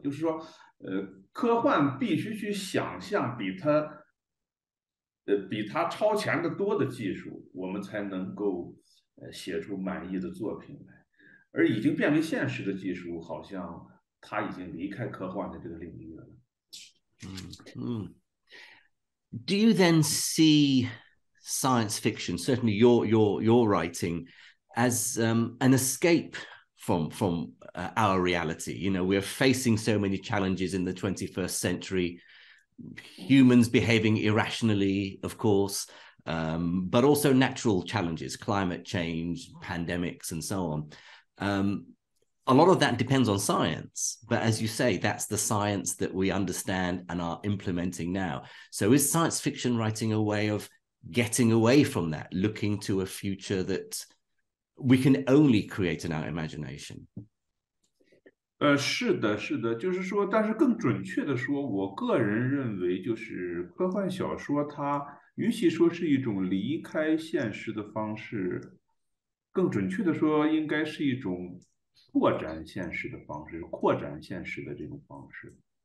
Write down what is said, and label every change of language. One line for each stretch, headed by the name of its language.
Chinese: 就是说科幻必须去想象比它超前的多的技术，我们才能够写出满意的作品来。而已经变为现实的技术，好像它已经离开科幻的这个领域了。
English: Do you then see science fiction, certainly your writing, as an escape from our reality? You know, we're facing so many challenges in the 21st century, humans behaving irrationally, of course, but also natural challenges, climate change, pandemics, and so on. A lot of that depends on science, but as you say, that's the science that we understand and are implementing now. So is science fiction writing a way of getting away from that, looking to a future that we can only create in our imagination?
Chinese: 是的，就是说，但是更准确的说，我个人认为就是科幻小说它与其说是一种离开现实的方式，更准确的说应该是一种扩展现实的方式，扩展现实的这种方式。